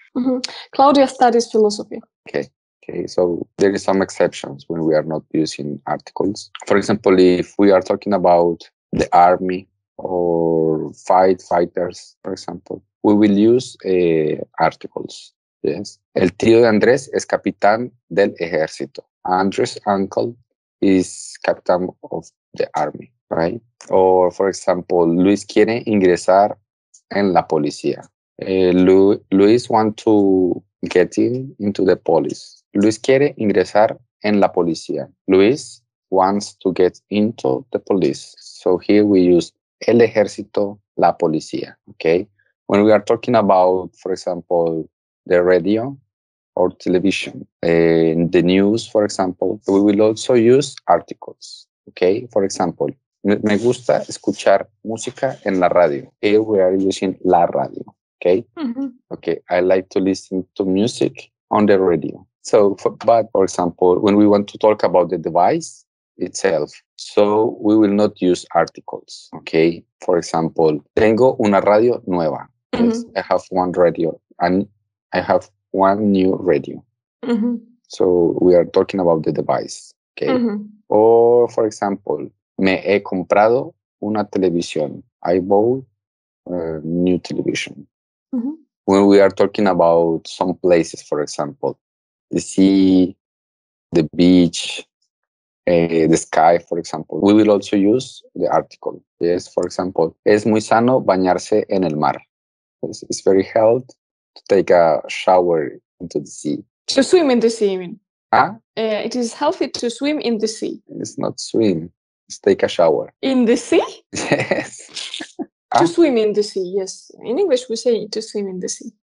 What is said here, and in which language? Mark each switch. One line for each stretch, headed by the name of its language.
English: Mm-hmm. Claudia studies philosophy. Okay. So there is some exceptions when we are not using articles. For example, if we are talking about the army or fighters, for example, we will use articles. Yes.
Spanish: El tío de Andrés es capitán del ejército.
English: Andrés' uncle is captain of the army, right? Or, for example,
Spanish: Luis quiere ingresar en la policía.
English: Luis wants to get into the police.
Spanish: Luis quiere ingresar en la policía.
English: Luis wants to get into the police. So here we use el ejército, la policía, okay? When we are talking about, for example, the radio or television, the news, for example, we will also use articles, okay? For example,
Spanish: me gusta escuchar música en la radio.
English: Here we are using la radio, okay? Mm-hmm. Okay, I like to listen to music on the radio. So, for example, when we want to talk about the device itself, so we will not use articles, okay? For example,
Spanish: tengo una radio nueva.
English: Mm-hmm. Yes, I have one radio and I have one new radio. Mm-hmm. So we are talking about the device. Okay. Mm-hmm. Or, for example,
Spanish: me he comprado una televisión.
English: I bought a new television. Mm-hmm. When we are talking about some places, for example, the sea, the beach, the sky, for example, we will also use the article. Yes, for example,
Spanish: es muy sano bañarse en el mar.
English: It's very healthy to take a shower into the sea. To swim in the sea, you mean? Huh? It is healthy to swim in the sea. It's not swim. It's take a shower. In the sea? Yes. To swim in the sea, yes. In English, we say to swim in the sea.